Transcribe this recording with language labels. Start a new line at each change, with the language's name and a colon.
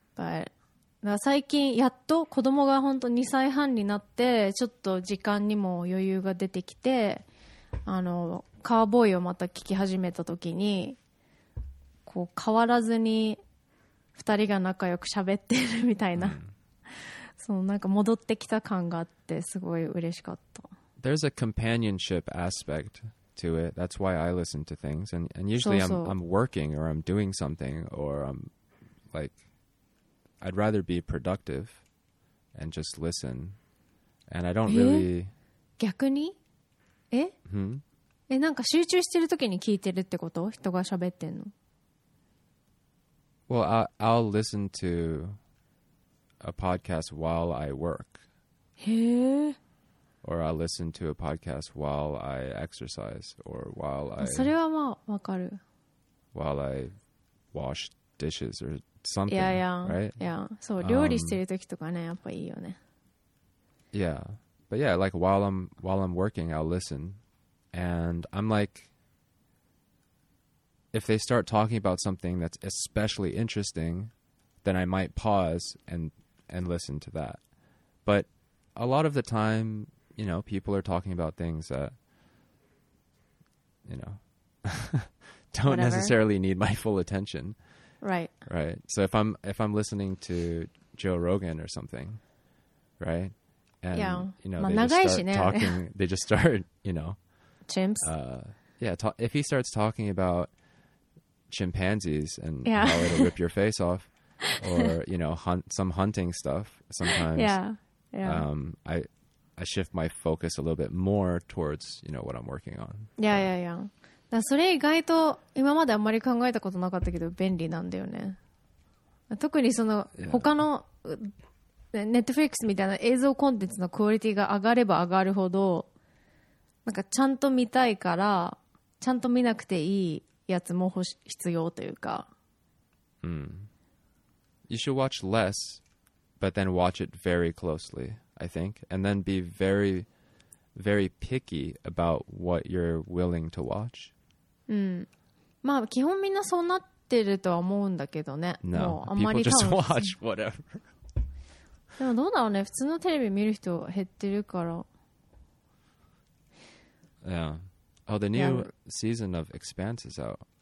English: But
Japanese: 最近やっと子供が本当2歳半になって、ちょっと時間にも余裕が出てきて、カウボーイをまた聞き始めた時にこう変わらずに二人が仲良く喋ってるみたいな、そのなんか戻ってきた感があってすごい嬉しかった。
English: There's a companionship aspect to it. That's why I listen to things. And usually I'm working or I'm doing something or I'm like I'd rather be productive and just listen. And I don't really
Japanese: 逆にえ、うん、え、なんか集中してる時に聞いてるってこと？人が喋ってんの？
English: Well, I'll listen to a podcast while I work.
Japanese: へえ。
English: Or I'll listen to a podcast while I exercise or while I
Japanese: それはまあわかる。
English: While I wash dishes or something. Yeah, yeah. Right? Yeah.
Japanese: そう、料理してる時とかね、やっぱいいよね。
English: Yeah. But yeah, like while I'm working, I'll listen. And I'm like, if they start talking about something that's especially interesting, then I might pause and listen to that. But a lot of the time, you know, people are talking about things that, you know, don't Whatever. Necessarily need my full attention. Right. Right. So if I'm listening to Joe Rogan or something, right? And, yeah. You know,
Japanese: まあ、
English: they just start、
Japanese: ね、
English: talking, they just start, you know. Chimps? If he starts talking about chimpanzees and、yeah. how it'll rip your face off, or, you know, some hunting stuff, sometimes I shift my focus a little bit more towards, you know, what I'm working on. Yeah, yeah, yeah.
Japanese: だからそれ意外と今まであんまり考えたことなかったけど便利なんだよね。特にその他の、
English: yeah.
Japanese: ネットフリックスみたいな映像コンテンツのクオリティが上がれば上がるほど、なんかちゃんと見たいからちゃんと見なくていいやつも必要というか、うん、
English: You should watch less but then watch it very closely I think and then be very very picky about what you're willing to watch、
Japanese: うん、まあ基本みんなそうなってるとは思うんだけどね。
English: No,
Japanese: もうあんまり
English: people just watch whatever
Japanese: でもどうだろうね、普通のテレビ見る人減ってるから。
English: Yeah. Oh, the new season of Expanse is out.